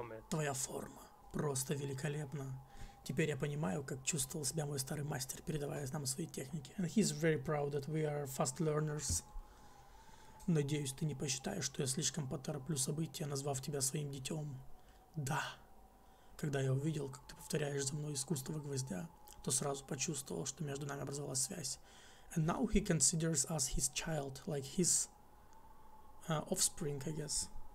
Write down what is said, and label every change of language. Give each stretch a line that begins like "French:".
Russian: Твоя форма просто великолепна. Теперь я понимаю, как чувствовал себя мой старый мастер, передавая нам свои техники.
English: And he's very proud that we are fast learners.
Russian: Надеюсь, ты не посчитаешь, что я слишком потороплю события, назвав тебя своим детем. Да. Когда я увидел, как ты повторяешь за мной искусство гвоздя, то сразу почувствовал, что между нами образовалась связь.
English: And now he considers us his child, like his offspring, I guess.